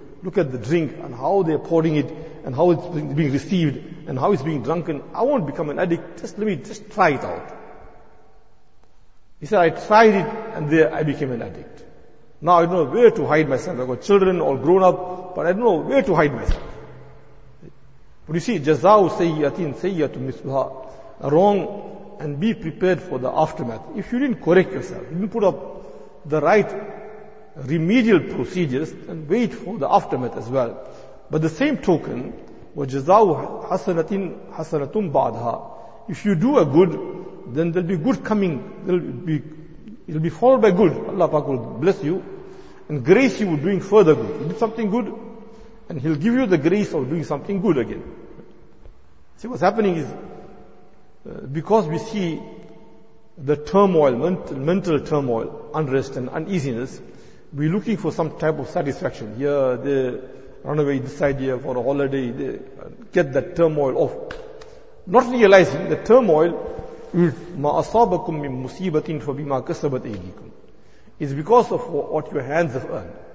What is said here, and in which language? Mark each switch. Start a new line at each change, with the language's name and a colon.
English: Look at the drink, and how they're pouring it, and how it's being received, and how it's being drunken. I won't become an addict. Let me try it out. He said, I tried it, and there I became an addict. Now I don't know where to hide myself. I've got children all grown up, but I don't know where to hide myself. But you see,
Arabic: جَزَاءُ سَيِّئَةٍ سَيِّئَةٌ مِثْلُهَا.
English: A wrong, and be prepared for the aftermath. If you didn't correct yourself, you didn't put up the right remedial procedures, then wait for the aftermath as well. But the same token,
Arabic: وَجَزَاءُ حَسَنَةٍ حَسَنَةٌ بَعْدْهَا.
English: If you do a good, then there'll be good coming. It'll be followed by good. Allah Pak will bless you, and grace you with doing further good. You did something good, and he'll give you the grace of doing something good again. See, what's happening is, because we see the turmoil, mental turmoil, unrest and uneasiness, we're looking for some type of satisfaction. Here, they run away this idea for a holiday, they get that turmoil off. Not realizing the turmoil is
Arabic: مَا أَصَابَكُم مِّن مُصِيبَةٍ فَبِمَا كَسَبَتْ أَيْدِيكُمْ.
English: It's because of what your hands have earned.